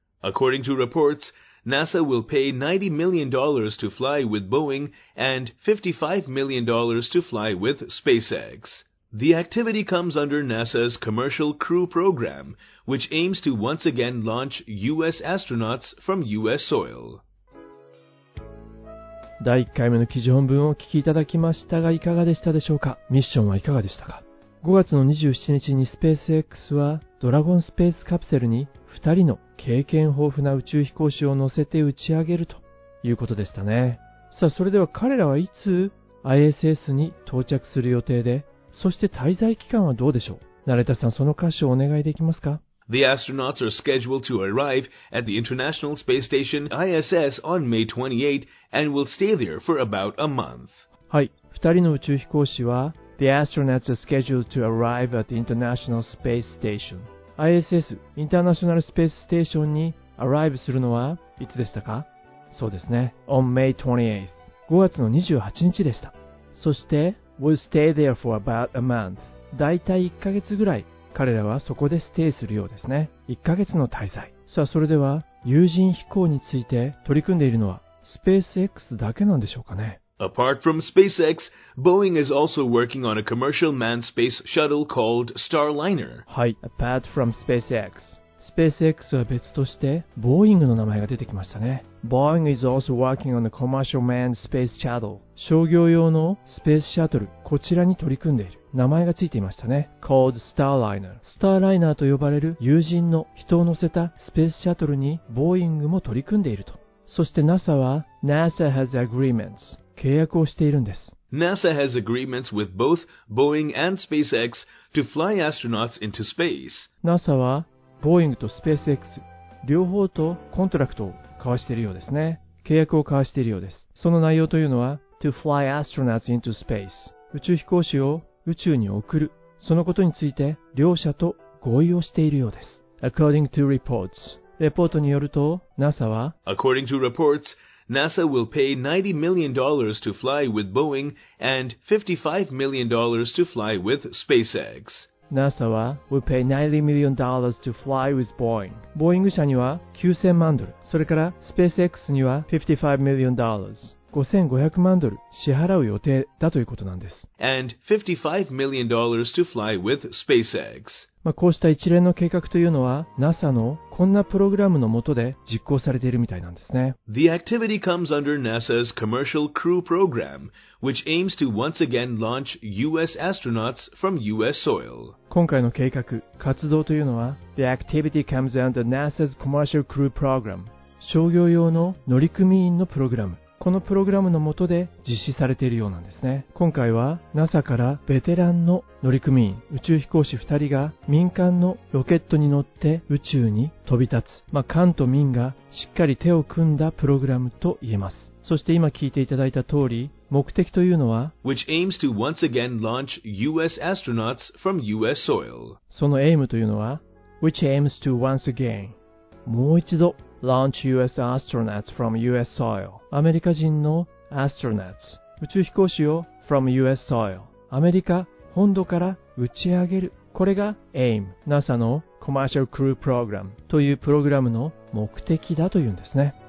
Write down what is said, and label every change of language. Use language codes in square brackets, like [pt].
[en] According to reports, NASA will pay $90 million to fly with Boeing and $55 million to fly with SpaceX. The activity comes under NASA's Commercial Crew Program, which aims to once again launch U.S. astronauts from U.S. soil. [ja] 第1回目の記事本文をお聞きいただきましたが、いかがでしたでしょうか。ミッションはいかがでしたか。5月の27日にスペース X はドラゴンスペースカプセルに2人の経験豊富な宇宙飛行士を乗せて打ち上げるということでしたね。さあそれでは彼らはいつ ISS に到着する予定で、そして滞在期間はどうでしょう。成田さん、その箇所をお願いできますか。 [en] The astronauts are scheduled to arrive at the International Space Station ISS on May 28 and will stay there for about a month. [ja] はい、2人の宇宙飛行士は [en] The astronauts are scheduled to arrive at the International Space Station. [ja] ISS、インターナショナルスペーススステーションにアライブするのはいつでしたか？そうですね。 [en] On May 28th. [ja] 5月の28日でした。 [en] そして、We'll stay there for about a month. [ja] だいたい1ヶ月ぐらい、彼らはそこでステイするようですね。 1ヶ月の滞在。さあ、それでは、有人飛行について取り組んでいるのは、SpaceX だけなんでしょうかね。 [en] Apart from SpaceX, Boeing is also working on a commercial manned space shuttle called Starliner. [ja] はい、 [en] Apart from SpaceX. [ja] SpaceX は別として、Boeing の名前が出てきましたね。 [en] Boeing is also working on a commercial manned space shuttle. [ja] 商業用のスペースシャトル、こちらに取り組んでいる。名前がついていましたね。 [en] Called Starliner。 [ja] Starliner と呼ばれる有人の人を乗せたスペースシャトルに Boeing も取り組んでいると。そして NASA は、 [en] NASA has agreements。 [ja] 契約をしているんです。 [en] NASA has agreements with both Boeing and SpaceX to fly astronauts into space. [ja] NASA は、Boeing と SpaceX、両方とコントラクトを交わしているようですね。契約を交わしているようです。その内容というのは、 [en] to fly astronauts into space。 [ja] 宇宙飛行士を宇宙に送る。そのことについて、両者と合意をしているようです。 [en] According to reports、 [ja] レポートによると、NASA は、 [en] According to reports、NASA will pay $90 million to fly with Boeing and $55 million to fly with SpaceX. [ja] NASA は [en] will pay $90 million to fly with Boeing. [ja] Boeing 社には9000万ドル、それから SpaceX には [en] $55 million、 [ja] 5500万ドル支払う予定だということなんです。 [en] And $55 million to fly with SpaceX. [ja] まあこうした一連の計画というのは NASA のこんなプログラムの下で実行されているみたいなんですね。 [en] The activity comes under NASA's Commercial Crew Program, which aims to once again launch U.S. astronauts from U.S. soil. [ja] 今回の計画、活動というのは [en] The activity comes under NASA's Commercial Crew Program. [ja] 商業用の乗組員のプログラム。このプログラムの下で実施されているようなんですね。今回は NASA からベテランの乗組員、宇宙飛行士2人が民間のロケットに乗って宇宙に飛び立つ。まあ、官と民がしっかり手を組んだプログラムと言えます。そして今聞いていただいた通り、目的というのは、 [en] Which aims to once again launch US astronauts from US soil. [ja] そのエイムというのは、 [en] Which aims to once again. [ja] もう一度、 [en] Launch U.S. astronauts from U.S. soil. [ja] アメリカ人の astronauts 宇宙飛行士を [en] from U.S. soil. [ja] アメリカ本土から打ち上げる。これが AIM NASA の Commercial Crew Program というプログラムの目的だというんですね。